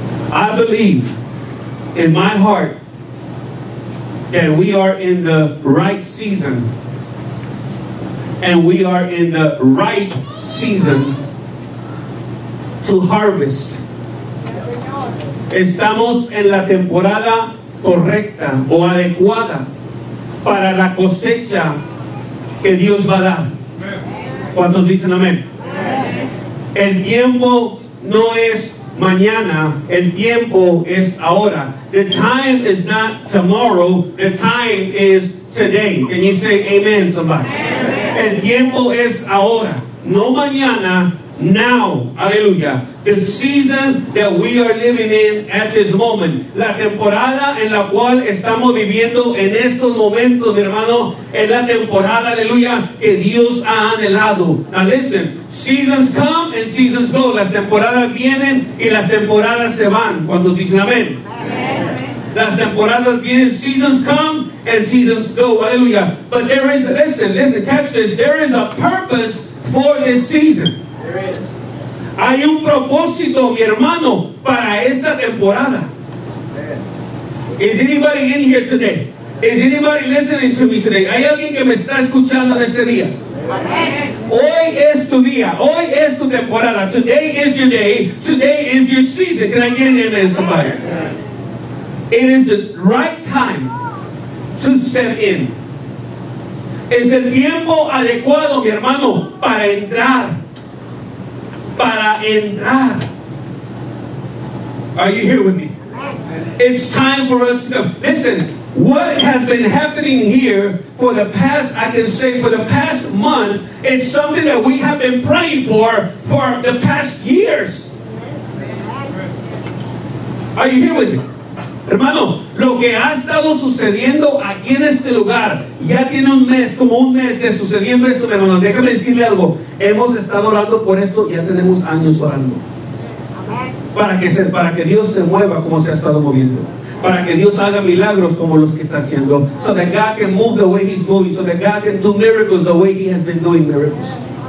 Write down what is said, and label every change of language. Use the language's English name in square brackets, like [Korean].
[English] I believe in my heart that we are in the right season. And we are in the right season to harvest. [Spanish] Estamos en la temporada correcta o adecuada para la cosecha que Dios va a dar. ¿Cuántos dicen amén? El tiempo no es mañana, el tiempo es ahora. [English] The time is not tomorrow, the time is today. Can you say amen, somebody? [Spanish] El tiempo es ahora, no mañana, now. Aleluya. [English] The season that we are living in at this moment. [Spanish] La temporada en la cual estamos viviendo en estos momentos, mi hermano, es la temporada, aleluya, que Dios ha anhelado. [English] Now listen, seasons come and seasons go. [Spanish] Las temporadas vienen y las temporadas se van. ¿Cuántos dicen amén? Las temporadas vienen, [English] seasons come and seasons go. Aleluya. But there is, listen, catch this. There is a purpose for this season. [Spanish] Hay un propósito, mi hermano, para esta temporada. [English] Is anybody in here today? Is anybody listening to me today? [Spanish] ¿Hay alguien que me está escuchando en este día? Hoy es tu día. Hoy es tu temporada. [English] Today is your day. Today is your season. Can I get an amen, somebody? It is the right time to set in. [Spanish] Es el tiempo adecuado, mi hermano, para entrar. Para entrar. [English] Are you here with me? It's time for us to listen. What has been happening here for the past, I can say, for the past month, is something that we have been praying for the past years. Are you here with me? [Spanish] Hermano, lo que ha estado sucediendo aquí en este lugar, ya tiene un mes, como un mes de sucediendo esto, hermano. Déjame decirle algo. Hemos estado orando por esto, ya tenemos años orando. Para que Dios se mueva como se ha estado moviendo. Para que Dios haga milagros como los que está haciendo. [English] So that God can move the way He's moving. So that God can do miracles the way He has been doing miracles.